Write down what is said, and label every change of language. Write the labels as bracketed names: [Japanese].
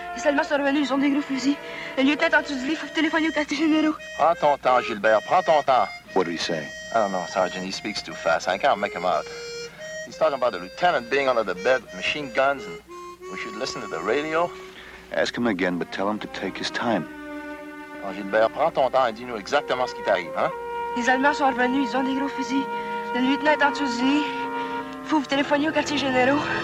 [French] Les Allemands sont revenus, ils ont des gros fusils. Le lieutenant en dessous du lit, il faut téléphoner au quartier généraux. Prends ton temps, Gilbert, prends ton temps. [English] What did he say? I don't know, Sergeant, he speaks too fast. I can't make him out. He's talking about the lieutenant being under the bed with machine guns and we should listen to the radio. Ask him again, but tell him to take his time. [French] Oh, Gilbert, prends ton temps et dis-nous exactement ce qui t'arrive, hein? Les Allemands sont revenus, ils ont des gros fusils. Le lieutenant en dessous du lit, il faut téléphoner au quartier généraux.